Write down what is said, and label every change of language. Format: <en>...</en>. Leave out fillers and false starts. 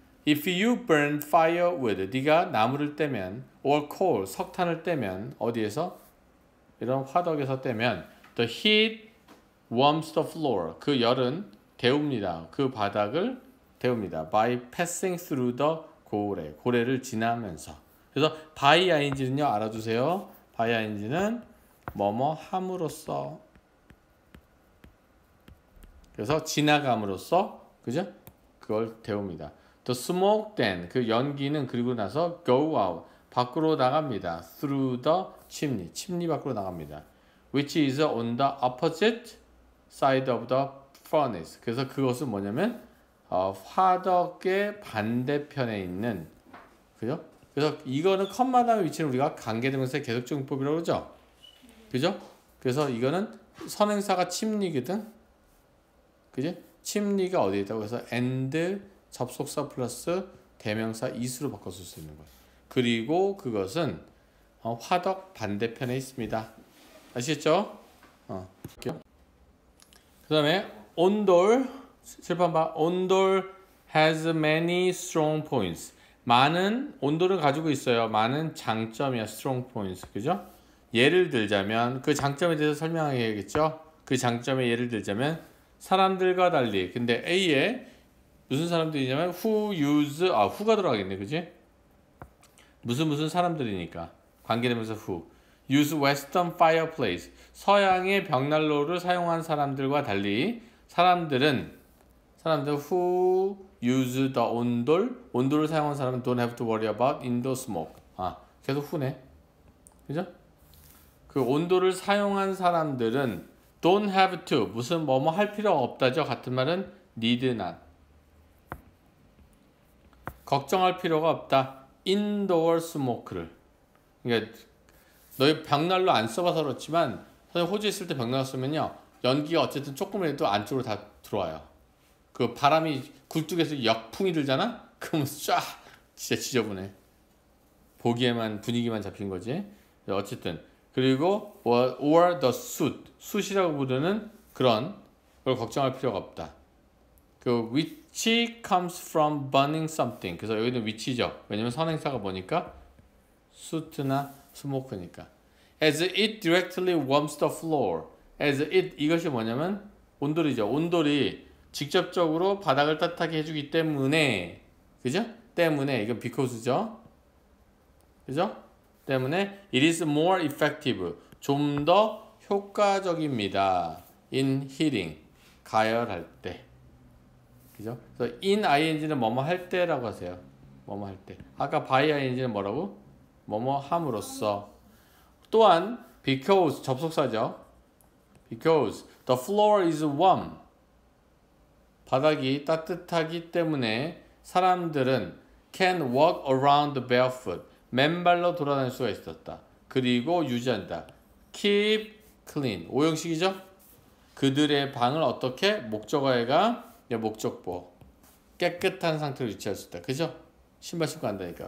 <en>If you burn firewood,</en> <ko>네가 나무를 떼면</ko> <en>or coal,</en> <ko>석탄을 떼면 어디에서? 이런 화덕에서 떼면</ko> <en>the heat warms the floor.</en> <ko>그 열은 데웁니다. 그 바닥을 데웁니다.</ko> <en>By passing through the 고래.</en> <ko>고래를 지나면서. 그래서 by ing는요. 알아두세요. by ing는 뭐뭐 함으로써. 그래서 지나감으로써. 그죠? 그걸 데웁니다.</ko> <en>The smoke then.</en> <ko>그 연기는 그리고 나서</ko> <en>go out.</en> <ko>밖으로 나갑니다.</ko> <en>Through the chimney.</en> <ko>침니 밖으로 나갑니다.</ko> <en>Which is on the opposite side of the furnace.</en> <ko>그래서 그것은 뭐냐면 화덕의 반대편에 있는. 그죠? 그래서 이거는 컴마 다음에 위치는 우리가 관계대명사의 계속적용법이라고 그러죠? 그죠? 그래서 이거는 선행사가 침니거든? 그지? 침니가 어디에 있다고 해서 and 접속사 플러스 대명사 is로 바꿨을 수 있는 거예요. 그리고 그것은 화덕 반대편에 있습니다. 아시겠죠? 그 다음에 온돌 칠판 봐.</ko> <en>온돌 has many strong points.</en> <ko>많은 온돌을 가지고 있어요. 많은 장점이야.</ko> <en>strong points.</en> <ko>그죠? 예를 들자면 그 장점에 대해서 설명해야겠죠? 그 장점에 예를 들자면 사람들과 달리. 근데 A에 무슨 사람들이냐면 who가 들어가겠네. 그지? 무슨 무슨 사람들이니까 관계되면서 who.</ko> <en>Use western fireplace.</en> <ko>서양의 벽난로를 사용한 사람들과 달리 사람들은</ko> <en>who use the</en> <ko>온돌. 온돌을 사용한 사람은</ko> <en>don't have to worry about indoor smoke.</en> <ko>아, 계속 who네. 그죠? 그 온돌을 사용한 사람들은</ko> <en>don't have to.</en> <ko>무슨 뭐뭐 할 필요 없다죠. 같은 말은</ko> <en>need not.</en> <ko>걱정할 필요가 없다.</ko> <en>indoor smoke</en> <ko>를. 그러니까 너희 벽난로 안 써봐서 그렇지만 선생님 호주에 있을 때 벽난로 쓰면요 연기가 어쨌든 조금이라도 안쪽으로 다 들어와요. 그 바람이 굴뚝에서 역풍이 들잖아? 그러면 쫙 진짜 지저분해. 보기에만 분위기만 잡힌 거지. 어쨌든 그리고</ko> <en>or the suit.</en> <ko>숯이라고 부르는 그런 걸 걱정할 필요가 없다.</ko> <en>그 which comes from burning something.</en> <ko>그래서 여기는 which죠. 왜냐면 선행사가 뭐니까? 수트나 스모크니까.</ko> <en>As it directly warms the floor. As it</en> <ko>이것이 뭐냐면 온돌이죠. 온돌이 직접적으로 바닥을 따뜻하게 해주기 때문에. 그죠? 때문에. 이건 because죠. 그죠? 때문에</ko> <en>it is more effective.</en> <ko>좀 더 효과적입니다.</ko> <en>In heating.</en> <ko>가열할 때. 그죠? 그래서 in ing는 뭐뭐 할 때라고 하세요. 뭐뭐 할 때. 아까 by ing는 뭐라고? 뭐뭐 함으로써. 또한 because 접속사죠.</ko> <en>Because the floor is warm.</en> <ko>바닥이 따뜻하기 때문에 사람들은</ko> <en>can walk around barefoot.</en> <ko>맨발로 돌아다닐 수가 있었다. 그리고 유지한다.</ko> <en>Keep clean.</en> <ko>오형식이죠? 그들의 방을 어떻게 목적어가 목적보 깨끗한 상태로 유지할 수 있다. 그죠? 신발 신고 간다니까.</ko>